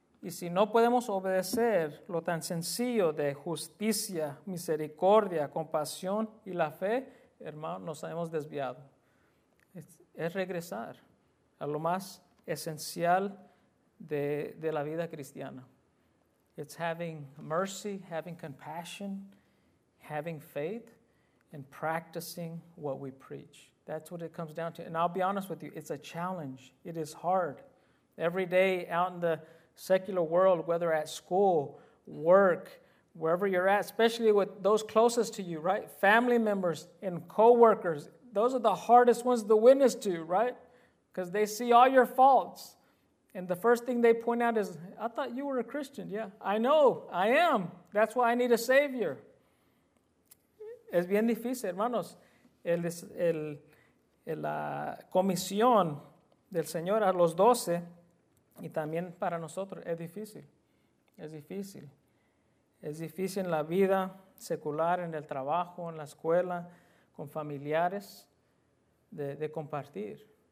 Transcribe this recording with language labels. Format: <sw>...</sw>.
<es>Y si no podemos obedecer lo tan sencillo de justicia, misericordia, compasión y la fe, hermano, nos hemos desviado. Es regresar a lo más esencial de la vida cristiana.</es> <en>It's having mercy, having compassion, having faith, and practicing what we preach. That's what it comes down to. And I'll be honest with you, it's a challenge. It is hard. Every day out in the secular world, whether at school, work, wherever you're at, especially with those closest to you, right? Family members and co-workers, those are the hardest ones to witness to, right? Because they see all your faults. And the first thing they point out is, I thought you were a Christian. Yeah, I know, I am. That's why I need a Savior.</en> <es>Es bien difícil, hermanos. La comisión del Señor a los doce, y también para nosotros, es difícil. Es difícil. Es difícil en la vida secular, en el trabajo, en la escuela, con familiares, de compartir.</es>